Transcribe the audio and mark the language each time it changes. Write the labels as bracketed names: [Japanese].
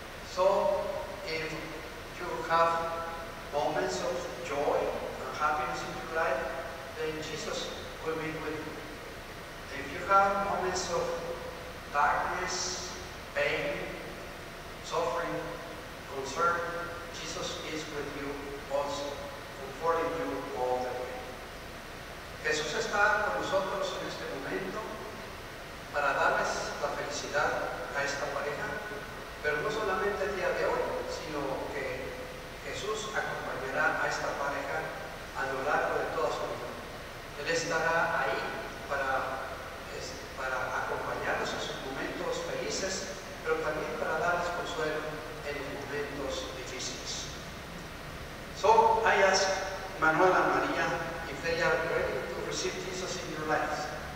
[English] So, if you have moments of joy and happiness in your life, then Jesus will be with you. If you have moments of darkness, pain, suffering, concern, Jesus is with you also, comforting you all the way. [Spanish] Jesús está con nosotros en este momento para darles la felicidad a esta pareja, pero no solamente el día de hoy, sino que Jesús acompañará a esta pareja a lo largo de toda su vida. Él estará ahí para acompañarlos en sus momentos felices, pero también para darles consuelo en los momentos difíciles. [English] So, I ask Manuela María if they are ready to receive Jesus in your lives.